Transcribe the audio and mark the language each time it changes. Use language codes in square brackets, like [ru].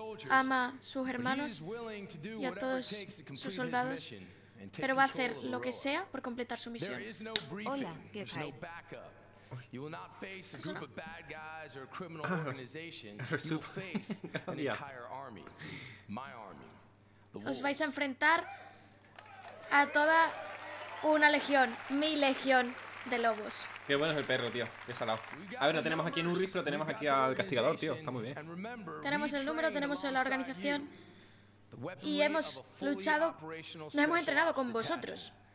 [es] Ama a sus hermanos y a todos sus soldados, pero va a hacer lo que sea por completar su misión. Hola, ¿qué tal? [en] You will not face a group of bad guys or a criminal organization. You will face an entire army, my army. [es] Os vais a enfrentar a toda una legión, mi legión de lobos. Qué bueno es el perro, tío. Qué salado. A ver, no tenemos aquí en un rifle, tenemos aquí al castigador, tío. Está muy bien. Tenemos el número, tenemos la organización y hemos luchado, nos hemos entrenado con vosotros.